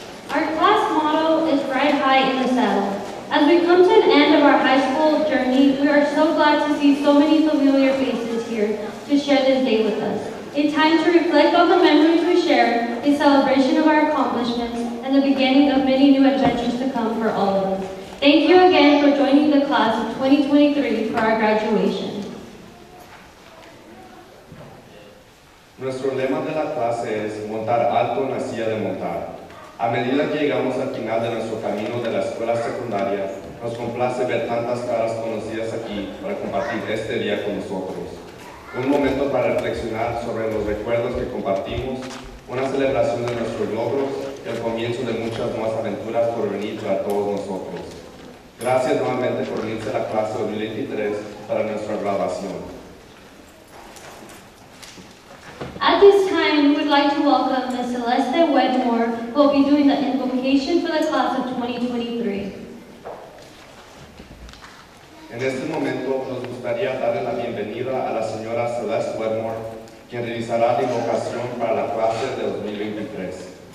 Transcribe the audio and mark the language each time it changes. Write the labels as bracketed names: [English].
[English] Our class motto is Ride High in the Saddle. As we come to an end of our high school journey, we are so glad to see so many familiar faces here to share this day with us. A time to reflect on the memories we share, a celebration of our accomplishments, and the beginning of many new adventures to come for all of us. Thank you again for joining the class of 2023 for our graduation. [Spanish] Nuestro lema de la clase es montar alto en la silla de montar. A medida que llegamos al final de nuestro camino de la escuela secundaria, nos complace ver tantas caras conocidas aquí para compartir este día con nosotros. Un momento para reflexionar sobre los recuerdos que compartimos, una celebración de nuestros logros y el comienzo de muchas nuevas aventuras por venir para todos nosotros. Gracias nuevamente por unirse a la clase 2023 para nuestra graduación. [English] At this time, we would like to welcome Ms. Celeste Wedmore, who will be doing the invocation for the class of 2023. [Spanish] En este momento, nos gustaría darle la bienvenida a la señora Celeste Wedmore, quien realizará la invocación para la clase de 2023.